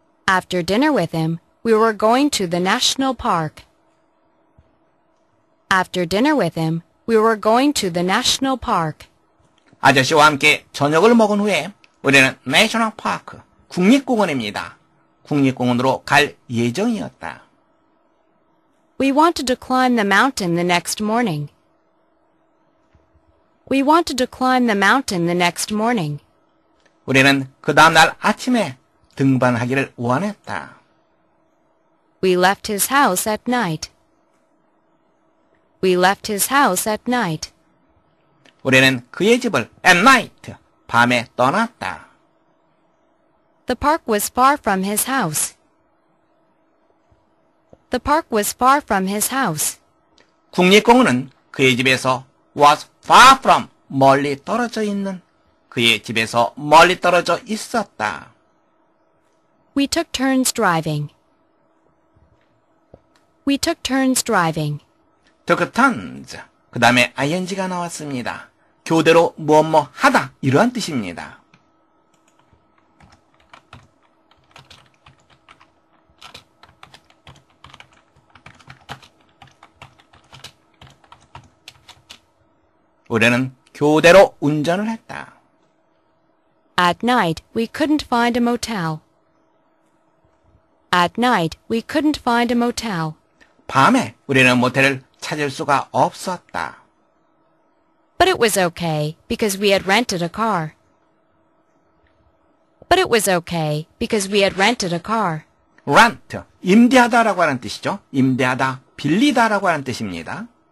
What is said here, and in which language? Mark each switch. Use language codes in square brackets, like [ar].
[en] After dinner with him, we were going to the national park. After dinner with him, we were going to the national park. [ko] 아저씨와 함께 저녁을 먹은 후에 우리는 [en] National Park, [ko] 국립공원입니다. 국립공원으로 갈 예정이었다. [en] We wanted to climb the mountain the next morning. We wanted to climb the mountain the next morning. [ko] 우리는 그 다음 날 아침에 등반하기를 원했다. [en] We left his house at night. We left his house at night. [ko] 우리는 그의 집을 [en] at night, [ko] 밤에 떠났다. [en] The park was far from his house. The park was far from his house. [ko] 국립공원은 그의 집에서 [en] was far from [ko] 멀리 떨어져 있는 그의 집에서 멀리 떨어져 있었다. [en] We took turns driving. We took turns driving. took a tons. [ko] 그 다음에 ing가 나왔습니다. 교대로 뭐뭐 하다 이러한 뜻입니다. 우리는 교대로 운전을 했다. [en] At night, we couldn't find a motel. At night, we couldn't find a motel. [ko] 밤에 우리는 모텔을 찾을 수가 없었다. [en] But it was okay because we had rented a car. But it was okay because we had rented a car. [ko] Rent, 임대하다라고 하는 뜻이죠. 임대하다, 빌리다라고 하는 뜻입니다.